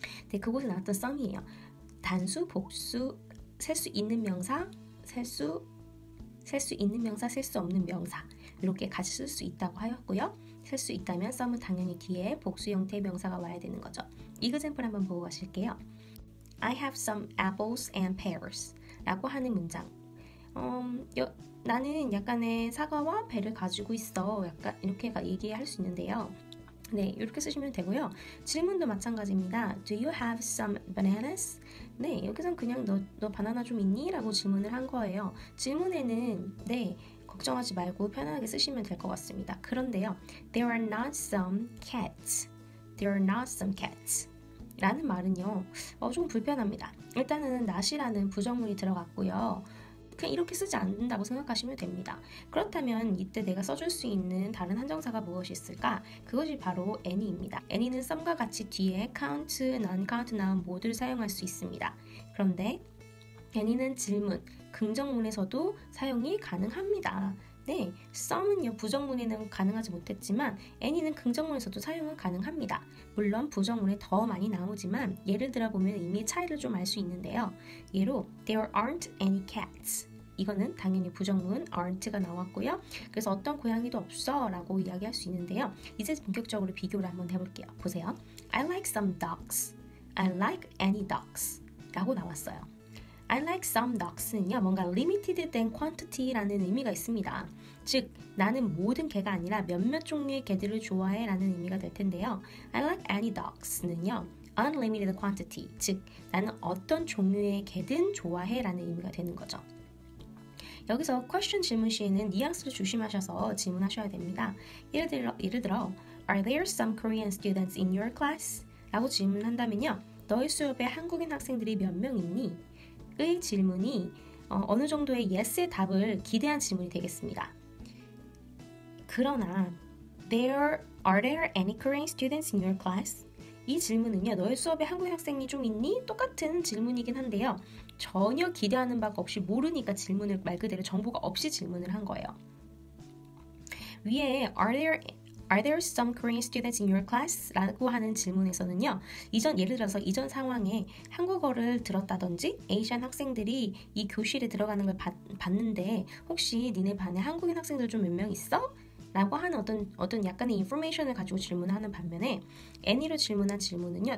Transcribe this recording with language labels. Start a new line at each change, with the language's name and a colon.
Korean: 네, 그곳에 나왔던 some이에요. 단수, 복수, 셀 수 있는 명사, 셀 수 있는 명사, 셀 수 없는 명사 이렇게 같이 쓸 수 있다고 하였고요. 셀 수 있다면 some은 당연히 뒤에 복수 형태의 명사가 와야 되는 거죠. 이그잼플 한번 보고 가실게요.
English: I have some apples and pears
Korean: 라고 하는 문장. 나는 약간의 사과와 배를 가지고 있어. 약간 이렇게 얘기할 수 있는데요. 네, 이렇게 쓰시면 되고요. 질문도 마찬가지입니다.
English: Do you have some bananas?
Korean: 네, 여기서는 그냥 너 바나나 좀 있니? 라고 질문을 한 거예요. 질문에는 네, 걱정하지 말고 편안하게 쓰시면 될 것 같습니다. 그런데요.
English: There are not some cats. There are not some cats.
Korean: 라는 말은요. 좀 불편합니다. 일단은 not이라는 부정문이 들어갔고요. 그냥 이렇게 쓰지 않는다고 생각하시면 됩니다. 그렇다면 이때 내가 써줄 수 있는 다른 한정사가 무엇이 있을까? 그것이 바로 any입니다. any는 some과 같이 뒤에 count, non-count, noun 모두를 사용할 수 있습니다. 그런데 any는 질문, 긍정문에서도 사용이 가능합니다. 네, some은요 부정문에는 가능하지 못했지만 any는 긍정문에서도 사용은 가능합니다. 물론 부정문에 더 많이 나오지만 예를 들어보면 이미 차이를 좀 알 수 있는데요. 예로
English: there aren't any cats.
Korean: 이거는 당연히 부정문 aren't가 나왔고요. 그래서 어떤 고양이도 없어 라고 이야기할 수 있는데요. 이제 본격적으로 비교를 한번 해볼게요. 보세요.
English: I like some dogs. I like any dogs.
Korean: 라고 나왔어요.
English: I like some dogs는요.
Korean: 뭔가
English: limited than quantity
Korean: 라는 의미가 있습니다. 즉, 나는 모든 개가 아니라 몇몇 종류의 개들을 좋아해 라는 의미가 될 텐데요.
English: I like any dogs는요. unlimited quantity,
Korean: 즉, 나는 어떤 종류의 개든 좋아해 라는 의미가 되는 거죠. 여기서 question 질문 시에는 뉘앙스를 조심하셔서 질문하셔야 됩니다.
English: 예를 들어, Are there some Korean students in your class?
Korean: 라고 질문한다면요. 너의 수업에 한국인 학생들이 몇 명 있니? 의 질문이 어느 정도의 yes의 답을 기대한 질문이 되겠습니다. 그러나
English: are there any Korean students in your class?
Korean: 이 질문은요, 너의 수업에 한국 학생이 좀 있니? 똑같은 질문이긴 한데요. 전혀 기대하는 바가 없이 모르니까 질문을 말 그대로 정보가 없이 질문을 한 거예요.
English: 위에 are there some Korean students in your class?
Korean: 라고 하는 질문에서는요. 예를 들어서 이전 상황에 한국어를 들었다든지 아시안 학생들이 이 교실에 들어가는 걸 봤는데 혹시 니네 반에 한국인 학생들 좀 몇 명 있어? 라고 하는 어떤 약간의 인포메이션을 가지고 질문하는 반면에 any로 질문한 질문은요.